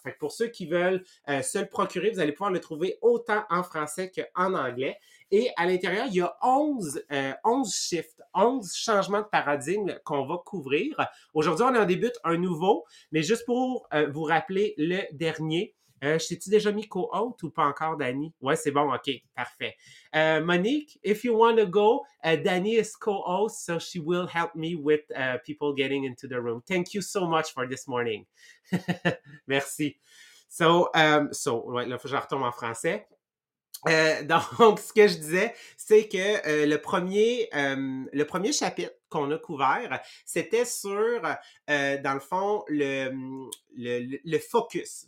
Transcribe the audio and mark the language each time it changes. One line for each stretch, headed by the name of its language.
French: Fait que pour ceux qui veulent se le procurer, vous allez pouvoir le trouver autant en français qu'en anglais. Et à l'intérieur, il y a 11 shifts, 11 changements de paradigme qu'on va couvrir. Aujourd'hui, on en débute un nouveau, mais juste pour vous rappeler le dernier. T'es-tu déjà mis co-host ou pas encore, Dani? Ouais, c'est bon, OK, parfait.
English: Monique, if you want to go, Dani is co-host, so she will help me with people getting into the room. Thank you so much for this morning.
French: Merci. So, ouais, là, faut que je retombe en français. Donc, ce que je disais, c'est que le premier chapitre qu'on a couvert, c'était sur, dans le fond, le focus.